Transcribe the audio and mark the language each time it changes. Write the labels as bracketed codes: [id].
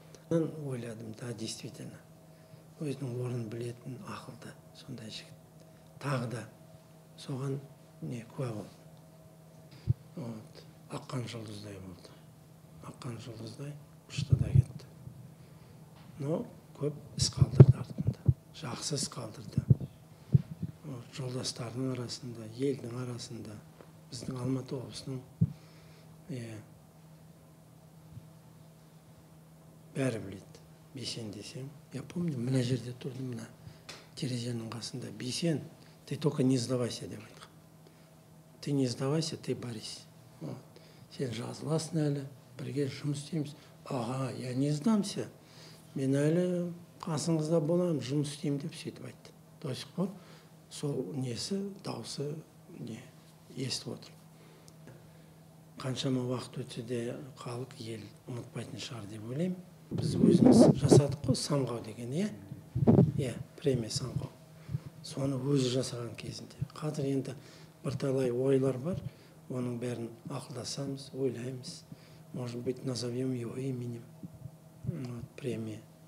[kk] Мен ойладым, да, [ru] действительно. [kk] Өзінің орнын білетін ақылды, сонда жігіт. Тағы да соған куә болды. Аққан жұлдыздай болды. Аққан жұлдыздай ұшты да кетті. Но көп іс қалдырды артында. Жақсы іс қалдырды. Жолдастардың арасында, елдің арасында, біздің Алматы облысының бәрі біледі. Бейсен десем, [ru] я помню, [kk] мына жерде тұрдым, мына терезенің қасында. [ru] Бейсен, ты только не сдавайся [kk] деп айтқан. [ru] Ты не сдавайся, ты борись. [kk] Сен жазыласың әлі, бірге жұмыс істейміз. Аға, [ru] я не сдамся, [kk] мен әлі қасыңызда боламын, жұмыс істеймін деп сөйтіп айтты. Досық бол, сол несі, даусы естіп отыр. Қаншама уақыт өтсе де халық ел ұмытпайтын шығар деп ойлаймын. Біз өзіміз жасадық қой, самғау деген, премия самғау. Соны өзі жасаған кезінде. Қазір енді бірталай ойлар бар, оның бәрін ақылдасамыз, ойлаймыз. [ru] Может быть, назовем его именем, премия.